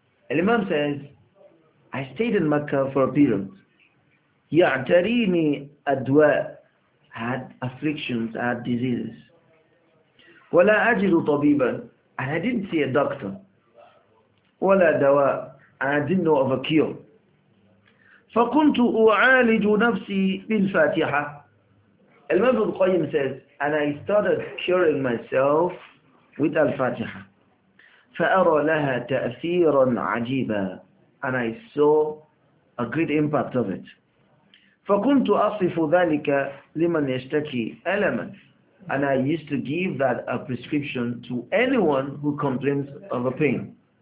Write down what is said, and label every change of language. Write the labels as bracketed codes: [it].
[en] الإمام says, I stayed in Mecca for a period. [ar] يعتريني أدواء. [en] I had afflictions, I had diseases. [ar] ولا أجد طبيبا. [en] And I didn't see a doctor. [ar] ولا دواء. [en] And I didn't know of a cure. [ar] فكنت أعالج نفسي بالفاتحة. [en] الإمام ابن القيم says, and I started curing myself with Al-Fatiha. [ar] فَأَرَى لَهَا تَأْثِيرًا عَجِيبًا [en] And I saw a great impact of it. [ar] فَكُنْتُ أَصِفُ ذَلِكَ لِمَنْ يَشْتَكِي أَلَمًا [en] And I used to give that a prescription to anyone who complains of a pain.